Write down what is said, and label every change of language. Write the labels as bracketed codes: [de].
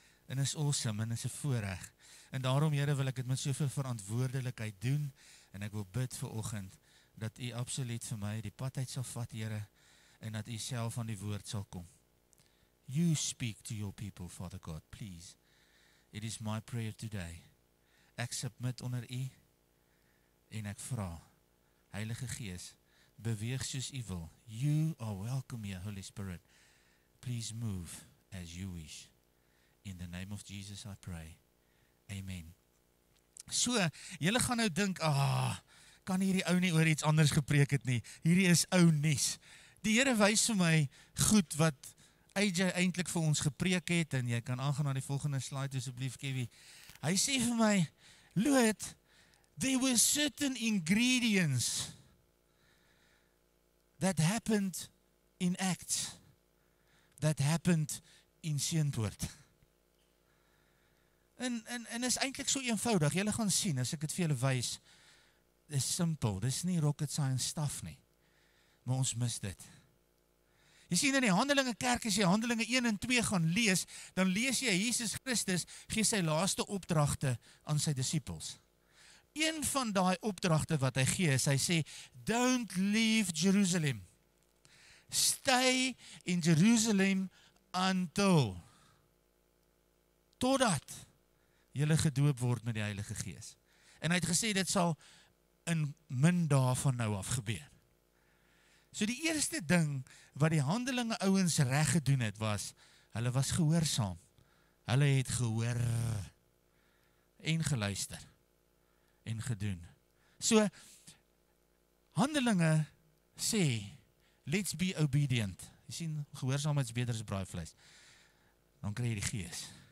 [af] En is awesome, en is 'n voorreg. En daarom, Here, wil ek dit met soveel verantwoordelikheid doen, en ek wil bid vir oggend, dat u absoluut vir my die pad uit sal vat, Here, en dat u self aan die woord sal kom. [en] You speak to your people, Father God, please. It is my prayer today. [af] Ek submit onder u, en ek vra, Heilige Gees, beweeg soos u wil. [en] You are welcome here, Holy Spirit. Please move as you wish. In the name of Jesus I pray. [af] Amen. So, julle gaan nou dink, kan hierdie ou nie oor iets anders gepreek het nie. Hierdie is ou nuus. Die Here wys vir my goed wat AJ eintlik vir ons gepreek het en jy kan aangaan na die volgende slide asseblief, Kevin. Hy sê vir my, [en] Loot, there were certain ingredients that happened in Acts, that happened in Seentwoord. [af] En is eintlik so eenvoudig, julle gaan sien, as ek het vir julle wys, is simpel, dis nie rocket science stuff nie, maar ons mis dit. Jy sien in die Handelinge kerk, as jy Handelinge 1 en 2 gaan lees, dan lees jy Jesus Christus gee sy laaste opdragte aan sy disippels. Een van die opdragte wat hy gee is, hy sê, [en] don't leave Jerusalem. Stay in Jerusalem until, [af] totdat julle gedoop word met die Heilige Gees. En hy het gesê, dit sal in min dae van nou af gebeur. So die eerste ding wat die Handelinge ouens reg gedoen het was, hulle was gehoorsaam. Hulle het gehoor en geluister. En gedoen. So, Handelinge sê, [en] let's be obedient. [af] Jy sien, gehoorsaamheid is beter as braaivleis. Dan kry jy die Gees.